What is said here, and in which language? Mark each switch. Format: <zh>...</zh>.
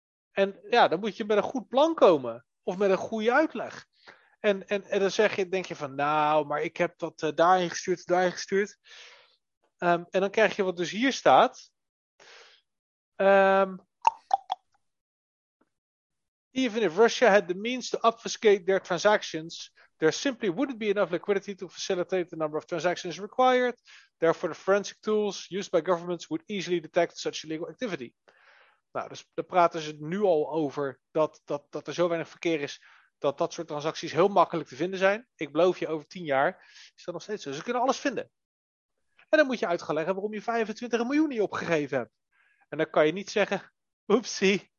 <nl>En ja, dan moet je met een goed plan komen. Of met een goede uitleg. En dan zeg je, denk je van, nou, maar ik heb dat daarin gestuurd, daarin gestuurd. En dan krijg je wat dus hier staat.</nl> <en>Even if Russia had the means to obfuscate their transactions, there simply wouldn't be enough liquidity to facilitate the number of transactions required. Therefore, the forensic tools used by governments would easily detect such illegal activity.</en> <nl>Nou, dus daar praten ze nu al over dat er zo weinig verkeer is dat dat soort transacties heel makkelijk te vinden zijn. Ik beloof je, over 10 jaar is dat nog steeds zo. Ze kunnen alles vinden. En dan moet je uitleggen waarom je 25 miljoen niet opgegeven hebt. En dan kan je niet zeggen, oepsie.</nl>